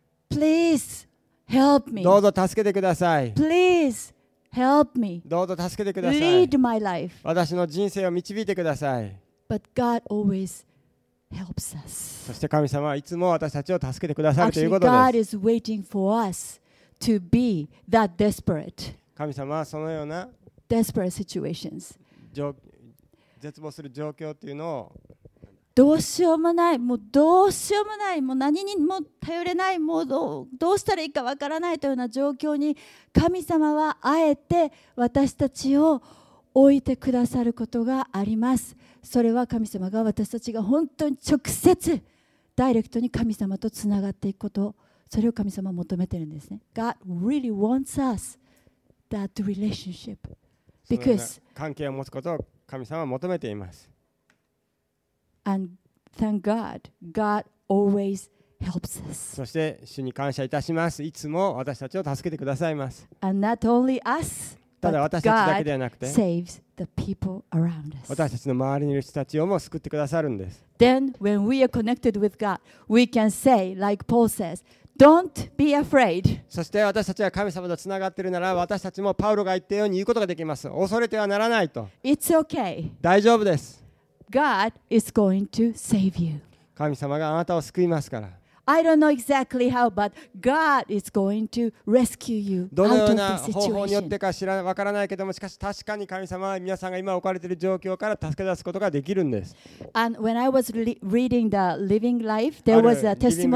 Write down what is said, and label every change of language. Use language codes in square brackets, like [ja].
[en] Please help me. [ja] どうぞ助けてください。 [en] Please help me. [ja] どうぞ助けてください。 [en] Lead my life. [ja] 私の人生を導いてください。 [en] But God always helps us. [ja] そして神様はいつも私たちを助けてくださるということです。 [en] Actually, God is waiting for us to be that desperate. [ja] 神様はそのような [en] Desperate situations. [ja] 絶望する状況というのをどうしようもない、もうどうしようもない、もう何にも頼れない、もう どうしたらいいかわからないというような状況に、神様はあえて私たちを置いてくださることがあります。それは神様が私たちが本当に直接ダイレクトに神様とつながっていくこと、それを神様は求めているんですね。 [en] God really wants us. That relationship, because [ja] 関係を持つことを神様は求めています。 [en] And thank God, God always helps us. [ja] そして主に感謝いたします。いつも私たちを助けてくださいます。 [en] And not only us, [ja] ただ私たちだけではなくて、 [en] God saves the people around us. [ja] 私たちの周りにいる人たちをも救ってくださるんです。 [en] Then when we are connected with God, we can say, like Paul says. Don't be afraid. [ja] そして私たちが神様とつながっているなら、私たちもパウロが言ったように言うことができます。恐れてはならないと。 [en] It's okay. [ja] 大丈夫です。 [en] God is going to save you. [ja] 神様があなたを救いますから。 [en] I don't know exactly how, but God is going to rescue you out of this situation. [ja] どのような方法によってか知らわからないけども、しかし確かに神様は皆さんが今置かれている状況から助け出すことができるんです。 [en] And when I was reading the Living Life, there was a testimony.